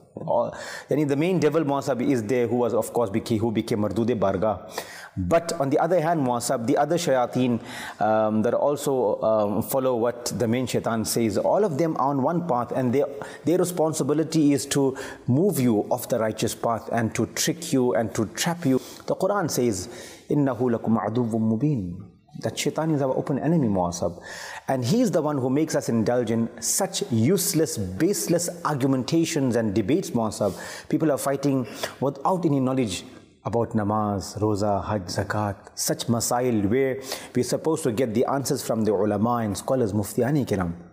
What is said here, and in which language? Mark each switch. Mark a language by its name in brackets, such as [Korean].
[English] Yani the main devil, Mu'asab, is there who was, of course, who became Mardood-e Bargah. But on the other hand, Mu'asab, the other shayateen that also follow what the main shaitan says, all of them are on one path and their responsibility is to move you off the righteous path and to trick you and to trap you. The Quran says, [Arabic] إِنَّهُ لَكُمْ عَدُوٌّ مُبِينٌ. [English] That shaitan is our open enemy, Mu'asab. And he is the one who makes us indulge in such useless, baseless argumentations and debates, Mu'asab. People are fighting without any knowledge about namaz, roza, hajj, zakat, such masail where we're supposed to get the answers from the ulama and scholars, muftiyani kiram.